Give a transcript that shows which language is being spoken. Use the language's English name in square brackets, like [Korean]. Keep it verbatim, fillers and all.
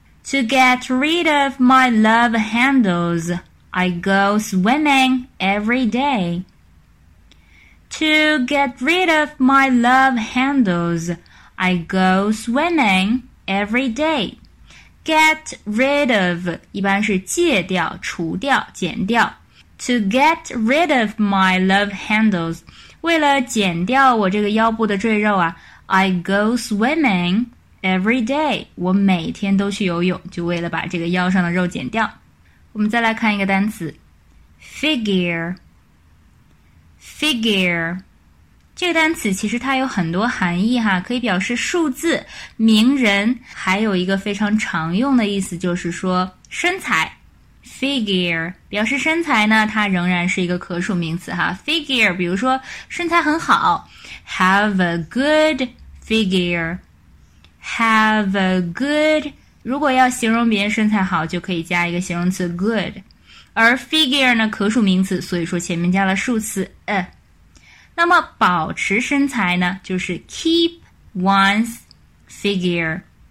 [English] To get rid of my love handles, I go swimming every day. To get rid of my love handles, I go swimming every day. Get rid of [Chinese] 一般是戒掉、除掉、减掉。 [English] To get rid of my love handles, [Chinese] 为了减掉我这个腰部的赘肉啊， [English] I go swimming every day. [Chinese] 我每天都去游泳，就为了把这个腰上的肉减掉。我们再来看一个单词 figure。figure 这个单词其实它有很多含义哈，可以表示数字、名人，还有一个非常常用的意思就是说身材。 figure 表示身材呢，它仍然是一个可数名词哈。 figure 比如说身材很好 ， [English] have a good figure。 have a good [Chinese] 如果要形容别人身材好，就可以加一个形容词 good。而 figure 呢，可数名词，所以说前面加了数词 a。那么保持身材呢，就是 [English] keep one's figure。